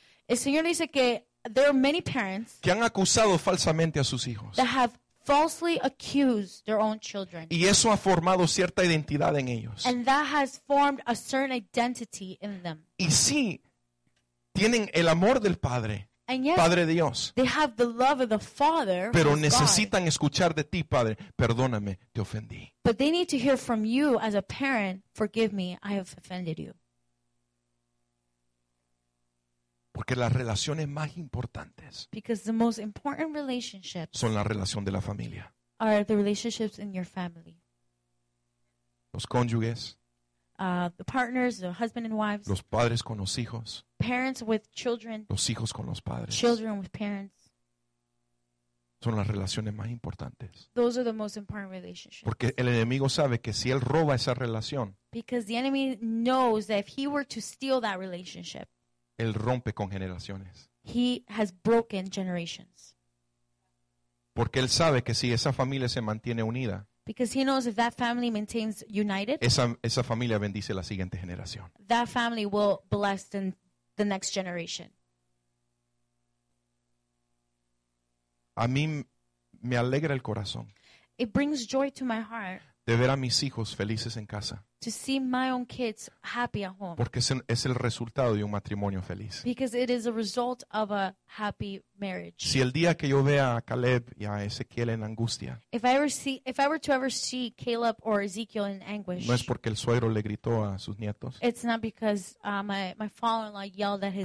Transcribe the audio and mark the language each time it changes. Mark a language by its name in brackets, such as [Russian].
[Spanish] El Señor dice que [English] there are many parents [Spanish] que han acusado falsamente a sus hijos [English] that have falsely accused their own children. [Spanish] Y eso ha formado cierta identidad en ellos. [English] And that has formed a certain identity in them. [Spanish] Y sí, tienen el amor del Padre, [English] and yet, [Spanish] Padre Dios. [English] They have the love of the Father, [Spanish] pero necesitan [English] God. [Spanish] Escuchar de ti, Padre, perdóname, te ofendí. [English] But they need to hear from you as a parent, forgive me, I have offended you. [Spanish] Porque las relaciones más importantes [English] because the most important relationships [Spanish] son la relación de la familia. [English] Are the relationships in your family. [Spanish] Los cónyuges. [English] The partners, the husband and wives. [Spanish] Los padres con los hijos. [English] Parents with children. [Spanish] Los hijos con los padres. [English] Children with parents. [Spanish] Son las relaciones más importantes. [English] Those are the most important relationships. [Spanish] Porque el enemigo sabe que si él roba esa relación, [English] because the enemy knows that if he were to steal that relationship, [Spanish] él rompe con generaciones. [English] He has broken generations. [Spanish] Porque él sabe que si esa familia se mantiene unida, [English] because he knows if that family maintains united, [Spanish] esa familia bendice la siguiente generación. [English] That family will bless the next generation. [Spanish] A mí me alegra el corazón. [English] It brings joy to my heart. [Spanish] De ver a mis hijos felices en casa. [English] To see my own kids happy at home. [Spanish] Porque es el resultado de un matrimonio feliz. [English] Because it is a result of a happy marriage. [Spanish] Si el día que yo vea a Caleb y a Ezequiel en angustia, [English] if I were to ever see Caleb or Ezekiel in anguish, [Spanish] no es porque el suegro le gritó a sus nietos. [English] It's not because my father-in-law yelled at his